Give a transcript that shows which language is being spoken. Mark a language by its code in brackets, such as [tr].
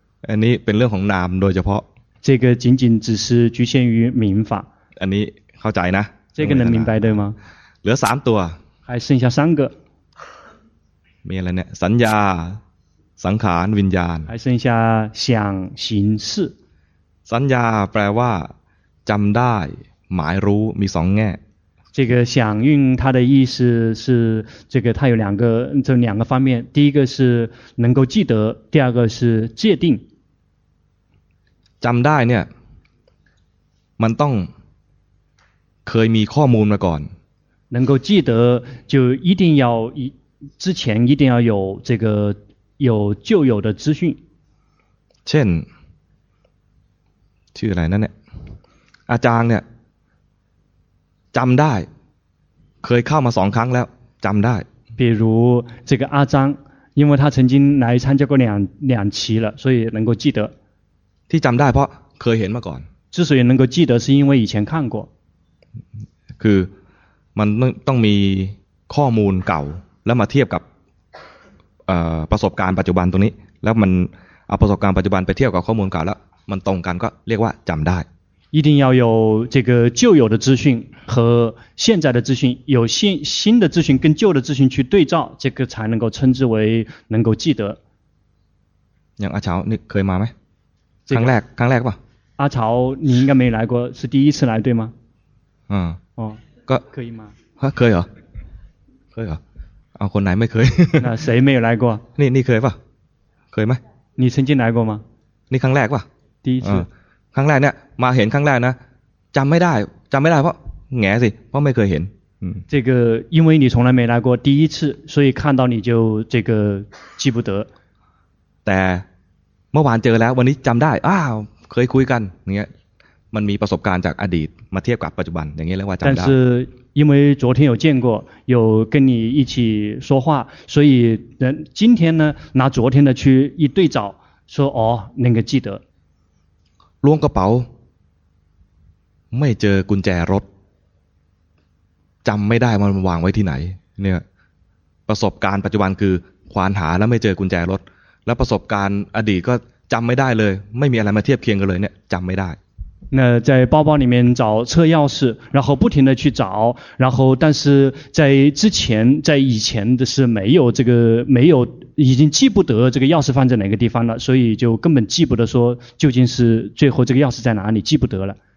[th] อันนี้เป็นเรื่องของนามโดยเฉพาะ [zh] 这个仅仅只是局限于名法 [th] อันนี้เข้าใจนะ [zh] 这个能明白对吗 [th] เหลือ3ตัว [zh] 还剩下3个 [th] มีอะไรเนี่ยสัญญาสังขารวิญญาณ [zh] 还剩下想行识 [th] สัญญาแปลว่าจำได้หมายรู้มี2แง่ [zh] 这个想蕴它的意思是这个它有两个方面第一个是能够记得第二个是界定 [th] จำได้เนี่ยมันต้องเคยมีข้อมูลมาก่อน [zh] 能够记得就一定要之前一定要有这个有旧有的资讯 [th] เช่นชื่ออะไรนั่นเนี่ยอาจารย์เนี่ยจำได้เคยเข้ามา2ครั้งแล้วจำได้ [zh] 比如这个阿张因为他曾经来参加过两期了所以能够记得 [th] ที่จำได้เพราะเคยเห็นมาก่อน [zh] 之所以能够记得是因为以前看过 [th] คือมันต้องมีข้อมูลเก่าแล้วมาเทียบกับประสบการณ์ปัจจุบันตรงนี้แล้วมันเอาประสบการณ์ปัจจุบันไปเทียบกับข้อมูลเก่าแล้วมันตรงกันก็เรียกว่าจำได้ [zh] 一定要有这个旧有的资讯和现在的资讯有新的资讯跟旧的资讯去对照这个才能够称之为能够记得 [th] อย่างอาเฉานี่เคยมาไหมครั้งแรกป่ะ [zh] อาเฉา你应该没来过是第一次来对吗嗯哦可以吗可以啊可以啊啊， [th] คนไหนไม่เคย [zh] 那谁没有来过你 [th] เคยป่ะเคยไหม [zh] 你曾经来过吗你 [th] ครั้งแรกป่ะ [zh] 第一次 [th] ครั้งแรกเนี่ยมาเห็นครั้งแรกนะจำไม่ได้จำไม่ได้เพราะแง่สิเพราะไม่เคยเห็น [zh] 这个因为你从来没来过第一次所以看到你就这个记不得 [th] แต่เมื่อวานเจอแล้ววันนี้จำได้อ้าวเคยคุยกันเนี่ยมันมีประสบการณ์จากอดีตมาเทียบกับปัจจุบันอย่างนี้เรียกว่าจำได้ [zh] 但是因为昨天有见过有跟你一起说话所以今天呢拿昨天的去一对照说哦那个记得 [th] ล้วงกระเป๋าไม่เจอกุญแจรถจำไม่ได้มันวางไว้ที่ไหนเนี่ยประสบการณ์ปัจจุบันคือควานหาแล้วไม่เจอกุญแจรถแล้วประสบการณ์อดีตก็จำไม่ได้เลยไม่มีอะไรมาเทียบเคียงกันเลยเนี่ยจำไม่ได้ [zh] 那在包包里面找车钥匙然后不停的去找然后但是在之前在以前的是没有这个没有已经记不得这个钥匙放在哪个地方了所以就根本记不得说究竟是最后这个钥匙在哪里记不得了